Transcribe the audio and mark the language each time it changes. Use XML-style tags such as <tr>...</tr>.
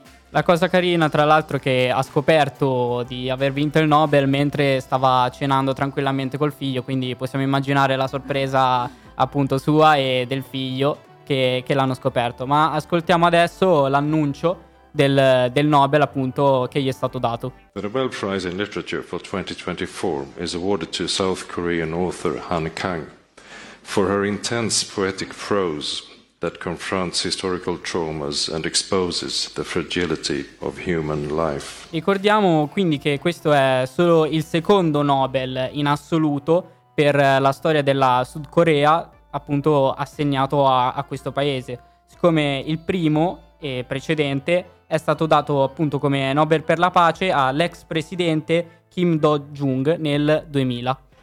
<it>La cosa carina, tra l'altro, che ha scoperto di aver vinto il Nobel mentre stava cenando tranquillamente col figlio, quindi possiamo immaginare la sorpresa appunto sua e del figlio che l'hanno scoperto. Ma ascoltiamo adesso l'annuncio del Nobel appunto che gli è stato dato.</it> <en>The Nobel Prize in Literature for 2024 is awarded to South Korean author Han Kang for her intense poetic prose that confronts historical traumas and exposes the fragility of human life.</en> <it>Ricordiamo quindi che questo è solo il secondo Nobel in assoluto per la storia della Sud Corea, appunto assegnato a questo paese, siccome il primo e precedente è stato dato appunto come Nobel per la pace all'ex presidente Kim Dong-jung nel 2000.</it>